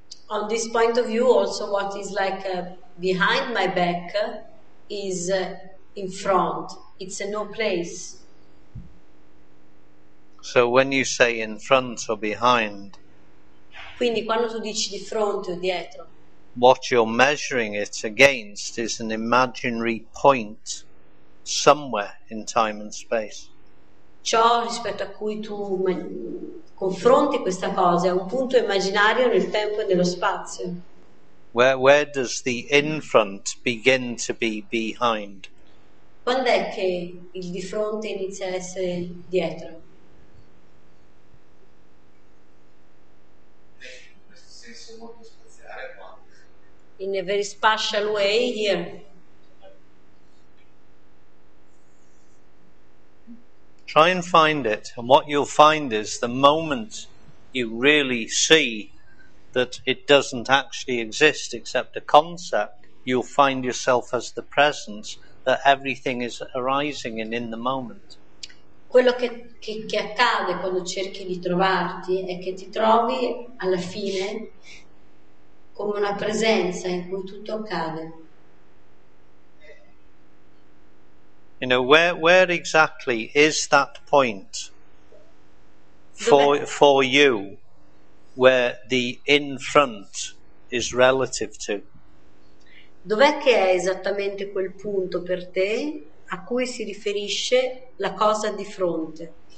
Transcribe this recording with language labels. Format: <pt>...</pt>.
<en>On this point of view, also what is like behind my back is in front. It's a no place. So when you say in front or behind,</en> <it>quindi quando tu dici di fronte o dietro,</it> <en>what you're measuring it against is an imaginary point somewhere in time and space.</en> <it>Ciò rispetto a cui tu confronti questa cosa è un punto immaginario nel tempo e nello spazio.</it> <en>Where does the in front begin to be behind?</en> <it>Quando è che il di fronte inizia a essere dietro?</it> <en>In a very special way here. Try and find it, and what you'll find is the moment you really see that it doesn't actually exist except a concept, you'll find yourself as the presence that everything is arising in the moment.</en> <it>Quello che accade quando cerchi di trovarti è che ti trovi alla fine come una presenza in cui tutto accade.</it> <en>You know, where exactly is that point for you where the in front is relative to?</en> <it>Dov'è che è esattamente quel punto per te a cui si riferisce la cosa di fronte?</it>